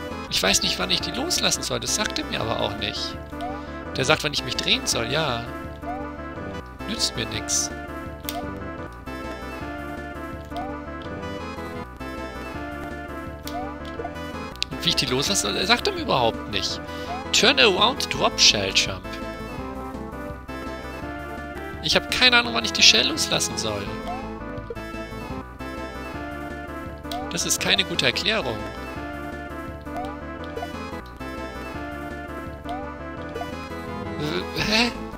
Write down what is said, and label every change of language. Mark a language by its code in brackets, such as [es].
[de] Ich weiß nicht, wann ich die loslassen soll. Das sagt er mir aber auch nicht. Der sagt, wann ich mich drehen soll, ja. Nützt mir nichts. Und wie ich die loslassen soll, er sagt er mir überhaupt nicht. [en] Turn around, drop shell jump. [de] Ich habe keine Ahnung, wann ich die Shell loslassen soll. Das ist keine gute Erklärung. Hä?